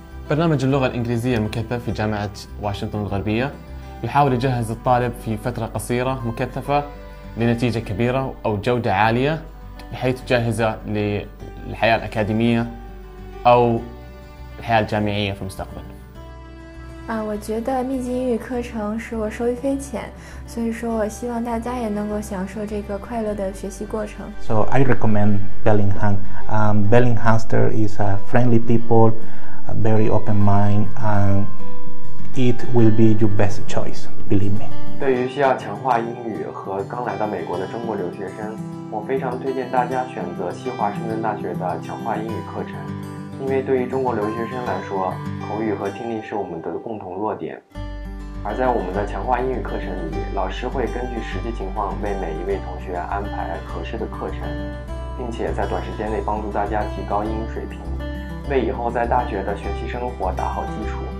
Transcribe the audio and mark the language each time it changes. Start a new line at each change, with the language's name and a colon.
Arabic: برنامج اللغة الإنجليزية المكثف في جامعة واشنطن الغربية يحاول يجهز الطالب في فترة قصيرة مكثفة لنتيجة كبيرة أو جودة عالية بحيث تجهزه للحياة الأكاديمية أو الحياة الجامعية في المستقبل.
Chinese: 我觉得密集英语课程使我受益匪浅，所以说我希望大家也能够享受这个快乐的学习过程。
English: So I recommend Bellingham. Bellinghamster is a friendly people, a very open mind, and it will be your best choice. Believe me.
Chinese: 对于需要强化英语和刚来到美国的中国留学生，我非常推荐大家选择西华盛顿大学的强化英语课程。因为对于中国留学生来说，口语和听力是我们的共同弱点。而在我们的强化英语课程里，老师会根据实际情况为每一位同学安排合适的课程，并且在短时间内帮助大家提高英语水平，为以后在大学的学习生活打好基础。